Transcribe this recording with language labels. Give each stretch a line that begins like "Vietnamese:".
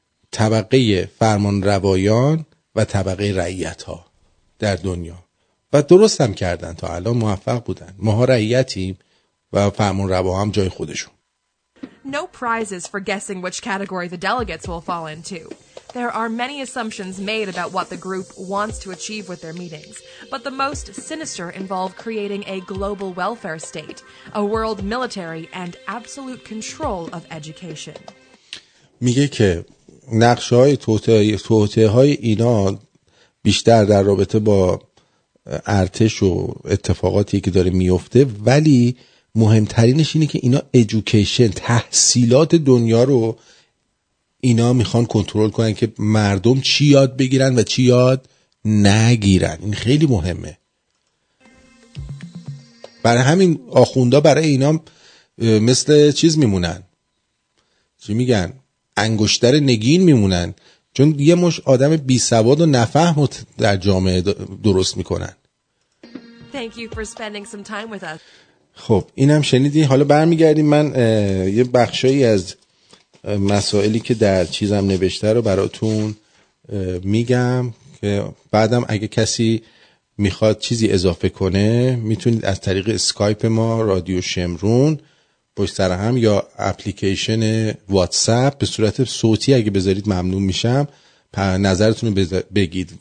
Persian: طبقه فرمان روایان و طبقه رعیت ها در دنیا. و درست هم کردن، تا الان موفق بودن. ماها رعیتیم و فرمان روا هم جای خودشون.
English: No prizes for guessing which category the delegates will fall into. There are many assumptions made about what the group wants to achieve with their meetings, but the most sinister involve creating a global welfare state, a world military, and absolute control of education.
Persian: میگه که نقشه‌های توطئه‌های اینا بیشتر در رابطه با ارتش و اتفاقاتی که داره میفته، ولی مهمترینش اینه که اینا ایژوکیشن، تحصیلات دنیا رو اینا میخوان کنترل کنن که مردم چی یاد بگیرن و چی یاد نگیرن. این خیلی مهمه. برای همین آخوندها برای اینا مثل چیز میمونن، چی میگن؟ انگشتر نگین میمونن، چون یه مش آدم بی سواد و نفهم در جامعه درست میکنن.
English: Thank you for spending some time with us.
Persian: خب اینم شنیدی. حالا برمیگردیم، من یه بخشایی از مسائلی که در چیزم نوشته رو براتون میگم که بعدم اگه کسی میخواد چیزی اضافه کنه میتونید از طریق اسکایپ ما رادیو شمرون پشت سر هم یا اپلیکیشن واتساپ به صورت صوتی اگه بذارید ممنون میشم نظرتون رو بگید.